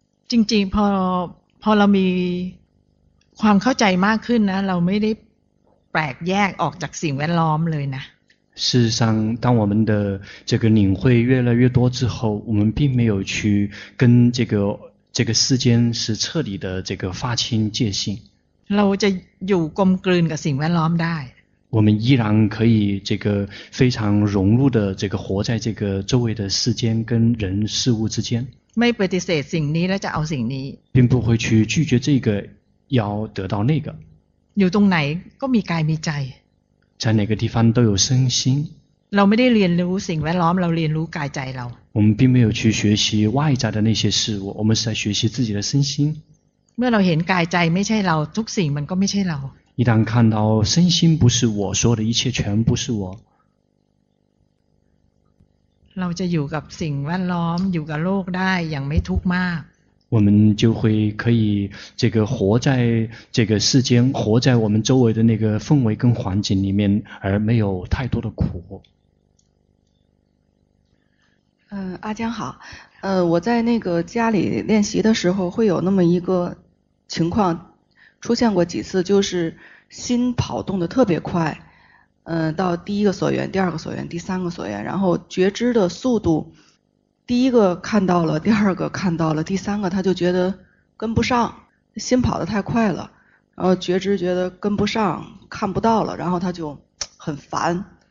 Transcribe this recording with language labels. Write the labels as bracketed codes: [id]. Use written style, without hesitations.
[th] จริงๆพอเรามีความเข้าใจมากขึ้นนะเราไม่ได้แปลกแยกออกจากสิ่งแวดล้อมเลยนะ [zh] 事实上当我们的这个领会越来越多之后，我们并没有去跟这个世间是彻底的这个划清界限。 [th] เราจะอยู่กลมกลืนกับสิ่งแวดล้อมได้ [zh] 我们依然可以这个非常融入的这个活在这个周围的世间跟人事物之间。 [th] ไม่ปฏิเสธสิ่งนี้แล้วจะเอาสิ่งนี้ [zh] 并不会去拒绝这个要得到那个。 [th] อยู่ตรงไหนก็มีกายมีใจ [zh] 在哪个地方都有身心。 [th] เราไม่ได้เรียนรู้สิ่งแวดล้อมเราเรียนรู้กายใจเรา [zh] 我们并没有去学习外在的那些事物，我们是在学习自己的身心。 [th] เมื่อเราเห็นกายใจไม่ใช่เราทุกสิ่งมันก็ไม่ใช่เรา [zh] 一旦看到身心不是我，所有的一切全不是我。 [th] เราจะอยู่กับสิ่งแวดล้อมอยู่กับโลกได้อย่างไม่ทุกข์มาก [zh] 我们就会可以这个活在这个世间，活在我们周围的那个氛围跟环境里面，而没有太多的苦。阿江好。我在那个家里练习的时候会有那么一个情况出现过几次，就是心跑动的特别快，到第一个所缘，第二个所缘，第三个所缘，然后觉知的速度，第一个看到了，第二个看到了，第三个他就觉得跟不上，心跑得太快了，然后觉知觉得跟不上，看不到了，然后他就很烦，